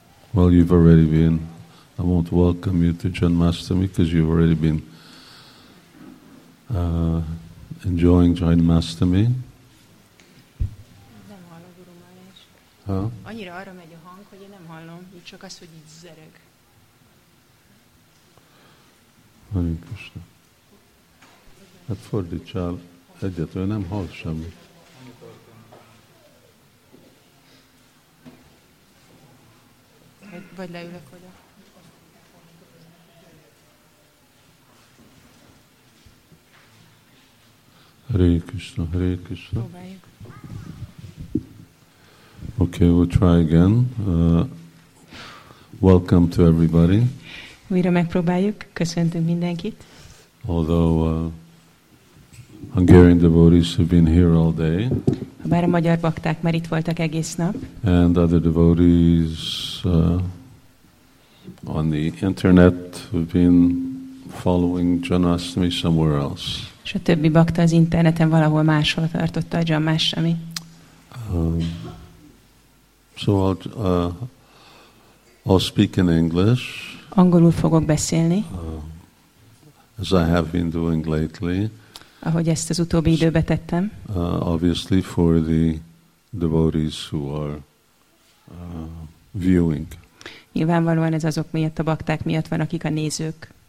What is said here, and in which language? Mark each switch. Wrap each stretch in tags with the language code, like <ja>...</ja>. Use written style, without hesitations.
<en>Well, you've already been, I won't welcome you to Janmashtami because you've already been enjoying Janmashtami.</en> <hu>Nem hallom, Guru Maharaj. Huh? Annyira arra megy a hang, hogy én nem hallom, úgy csak az, hogy így zereg.</hu> <sa>Hare Krishna.</sa> <hu>Hát fordítsál egyet, olyan nem hall semmit. Vagy leülök oda.</hu> <sa>Hare Krishna, Hare Krishna.</sa> <hu>Próbáljuk.</hu> <en>Okay, we'll try again. Welcome to everybody.</en> <hu>Újra megpróbáljuk. Köszöntünk mindenkit.</hu> <en>Although Hungarian devotees have been here all day.</en> <hu>Bár a magyar bakták már itt voltak egész nap.</hu> <en>And other devotees on the internet have been following Janmashtami somewhere else.</en> <hu>És a többi bakta az interneten valahol máshol tartotta a Janmashtami.</hu> <en>So I'll speak in English.</en> <hu>Angolul fogok beszélni.</hu> <en>As I have been doing lately.</en> <hu>Ahogy ezt az utóbbi időbe tettem.</hu> <en>Obviously for the devotees who are viewing.</en> <hu>Nyilvánvalóan ez azok miatt, a bakták miatt van, akik a nézők.</hu>